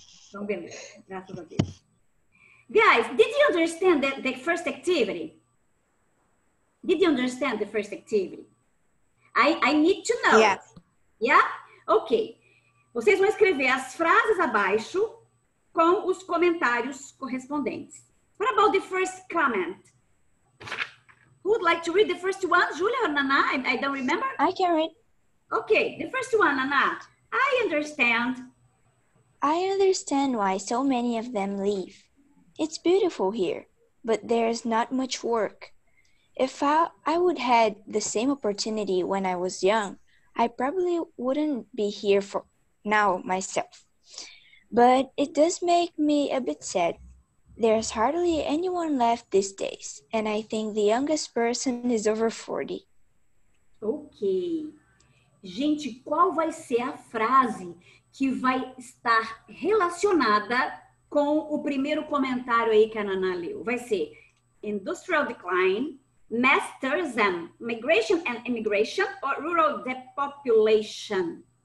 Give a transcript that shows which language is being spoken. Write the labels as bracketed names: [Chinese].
[Portuguese] Então, beleza. Graças a Deus. [English] Guys, did you understand the first activity? Did you understand the first activity? I need to know. Yes. Yeah? Ok. [Portuguese] Vocês vão escrever as frases abaixo com os comentários correspondentes. [English] What about the first comment? Who would like to read the first one? Julia or Nana? I don't remember. I can read. Okay, the first one, Nana. I understand. I understand why so many of them leave. It's beautiful here, but there's not much work. If I would had the same opportunity when I was young, I probably wouldn't be here for now myself. But it does make me a bit sad. There's hardly anyone left these days, and I think the youngest person is over 40. Ok. [Portuguese] Gente, qual vai ser a frase que vai estar relacionada com o primeiro comentário aí que a Nana leu? Vai ser [English] industrial decline, mass tourism, migration and immigration, or rural depopulation?